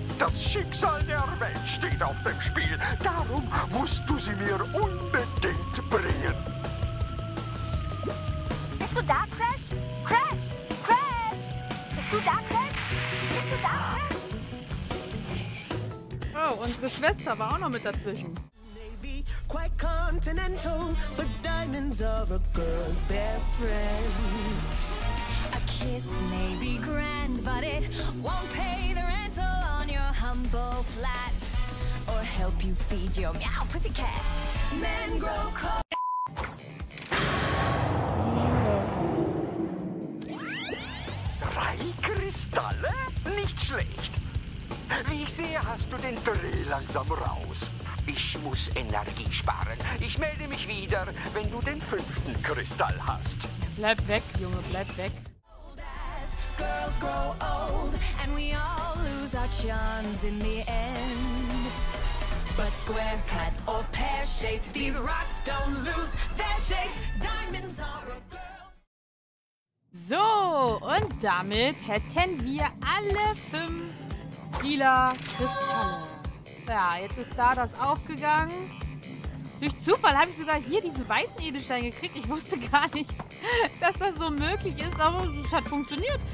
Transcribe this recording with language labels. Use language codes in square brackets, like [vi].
[de] Das Schicksal der Welt steht auf dem Spiel. Darum musst du sie mir unbedingt bringen. Bist du da, Crash? Crash! Crash! Bist du da, Crash? Bist du da, Crash? Oh, unsere Schwester war auch noch mit dazwischen. [en] Maybe quite continental, but diamonds are a girl's best friend. A kiss may be grand, but it won't pay the rental on your humble flat. Or help you feed your meow pussycat. Men grow cold. [de] Kristalle? Nicht schlecht. Wie ich sehe, hast du den Dreh langsam raus. Ich muss Energie sparen. Ich melde mich wieder, wenn du den fünften Kristall hast. Bleib weg, Junge, bleib weg. [en] Girls grow old and we all lose our chance in the end. But square cut or pear shape, these rocks don't lose their shape. Diamonds are a girl. [de] So, und damit hätten wir alle fünf lila Kristalle. Ja, jetzt ist da das aufgegangen. Durch Zufall habe ich sogar hier diesen weißen Edelstein gekriegt. Ich wusste gar nicht, dass das so möglich ist, aber es hat funktioniert.